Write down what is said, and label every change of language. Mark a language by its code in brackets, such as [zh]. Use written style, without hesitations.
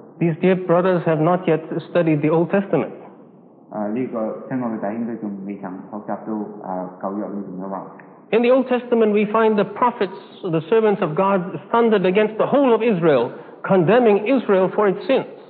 [en] These dear brothers have not yet studied the Old Testament. [yue] 呢個親愛嘅弟兄佢仲未曾學習到舊約裏面嘅話。 [en] In the Old Testament, we find the prophets, the servants of God, thundered against the whole of Israel, condemning Israel for its sins.